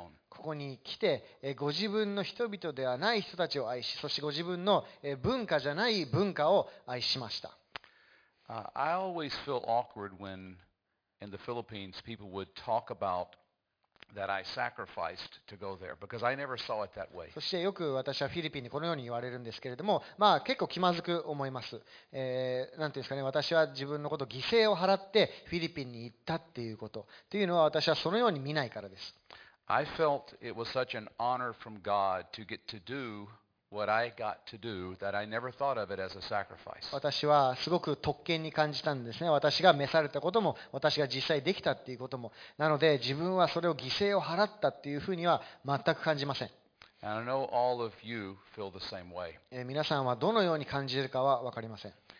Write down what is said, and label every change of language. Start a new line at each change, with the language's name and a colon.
Japanese: ここに来てご自分の人々ではない人たちを愛し、そしてご自分の文化じゃない文化を愛しました。
English: I always feel awkward when in the Philippines people would talk aboutThat I sacrificed to go there because I never saw it that way.
Japanese: そしてよく私はフィリピンにこのように言われるんですけれども、まあ結構気まずく思います。なんていうんですかね、私は自分のことを犠牲を払ってフィリピンに行ったっていうことっていうのは私はそのように見ないからです。
English: I felt it was such an honor from God to get to do what I got to do that I never thought of it as a sacrifice.
Japanese: 私はすごく特権に感じたんですね。私が召されたことも、私が実際できたっていうことも、なので自分はそれを犠牲を払ったっていうふうには全く感じません。
English: And I know all of you feel the same way.
Japanese: 皆さんはどのように感じるかは分かりません。